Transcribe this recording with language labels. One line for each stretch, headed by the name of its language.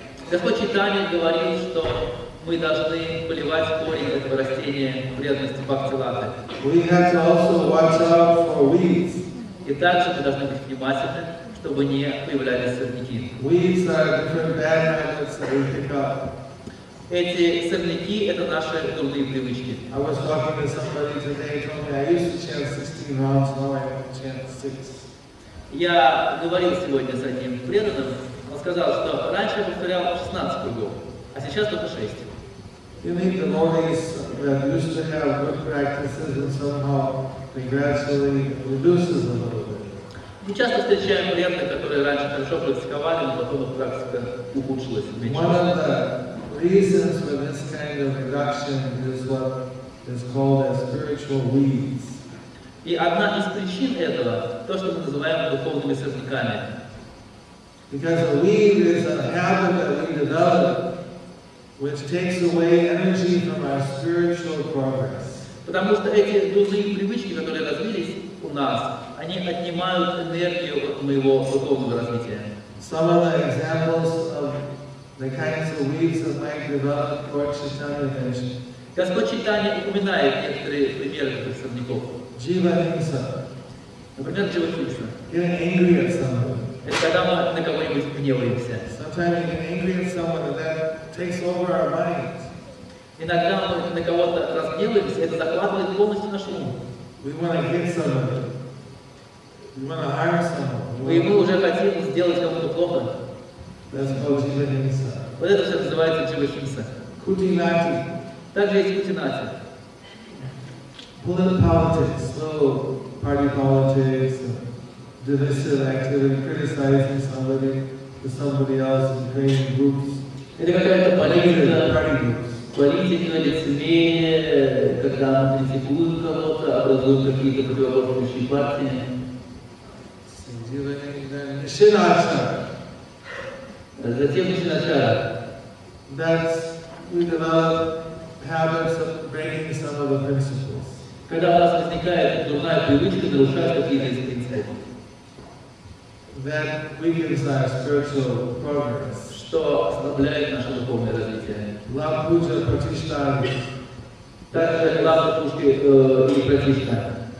Russian: Господь Чайтанья говорил, что мы должны поливать корень этого растения преданности бхакти лота.
English: We have to also watch out for weeds.
Russian: И также мы должны быть внимательны, чтобы не появлялись сорняки.
English: Weeds are different bad habits that we pick up.
Russian: Эти сорняки – это наши дурные привычки.
English: I was talking to somebody today, told me I used to chant 16 rounds, now I chant 6.
Russian: Я говорил сегодня с одним преданным, он сказал, что раньше я повторял 16 кругов, а сейчас только 6.
English: You think the devotees that used to have good practices and somehow gradually reduces them a little bit?
Russian: Мы часто встречаем преданных, которые раньше хорошо практиковали, но потом их практика ухудшилась, уменьшилась.
English: One of the reasons for this kind of reduction is what is called as spiritual weeds.
Russian: И одна из причин этого – то, что мы называем духовными сорняками.
English: Because a weed is a habit that we develop, which takes away energy from our spiritual progress.
Russian: Потому что эти дурные привычки, которые развились у нас, они отнимают энергию от моего духовного развития.
English: Some of the examples of the kinds of weeds that might develop Lord Chaitanya mentioned.
Russian: Господь Чайтанья упоминает некоторые примеры этих сорняков.
Sanskrit: Jiva Hinsa.
Russian: Например, Jiva Hinsa.
English: Getting angry at someone.
Russian: Это когда мы на кого-нибудь гневаемся.
English: Sometimes we get angry at someone and that takes over our mind.
Russian: Иногда мы на кого-то разгневаемся, это захватывает полностью наш ум.
English: We want to hit someone. You want to harm someone.
Russian: Мы ему уже хотим сделать кому-то плохо.
English: That's called Jiva Hinsa.
Russian: Вот это все называется Jiva Hinsa.
Sanskrit: Kutinati.
Russian: Также есть Kutinati.
English: Political politics, so party politics, divisive activity, criticizing somebody to somebody else in creating groups.
Russian: Это какая-то политика.
English: Party groups.
Russian: Политика, лицемерие, когда мы критикуем кого-то, образуем какие-то противоположные партии.
Sanskrit: Nishinacha.
English: That's we develop habits of breaking some of the principles.
Russian: Когда у нас возникает дурная привычка нарушать какие-то из принципов.
English: That weakens our spiritual progress.
Russian: Что ослабляет наше духовное развитие.
Sanskrit: Love puja pratishtha.
Russian: Также love puja и pratishtha.